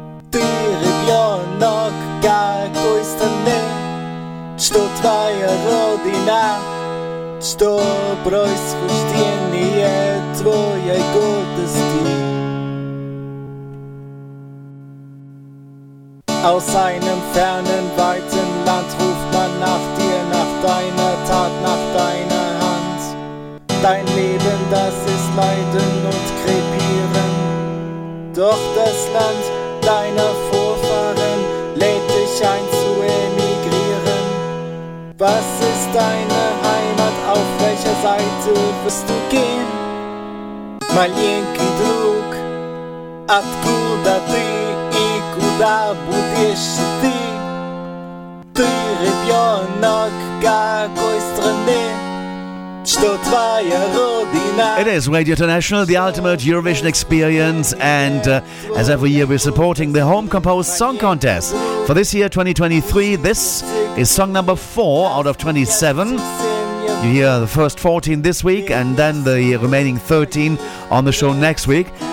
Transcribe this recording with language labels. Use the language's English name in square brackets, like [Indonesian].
[Russian] Ты ребенок какой страны? Что твоя родина? Что происхождение твоей гордости? [German] Aus einem fernen, weiten Land ruft man nach dir, nach deiner Tat, nach deiner Hand. Dein Leben, das ist Leiden und Krepieren. Doch das Land deiner Vorfahren lädt dich ein zu emigrieren. Was ist deine Heimat? Auf welcher Seite wirst du gehen? [Russian] Malenki Drak, откуда ты? Куда будешь ты? Ты ребенок какой страны? [English] It is Radio International, the ultimate Eurovision experience, and as every year we're supporting the Home Composed Song Contest. For this year, 2023, this is song number 4 out of 27. You hear the first 14 this week and then the remaining 13 on the show next week.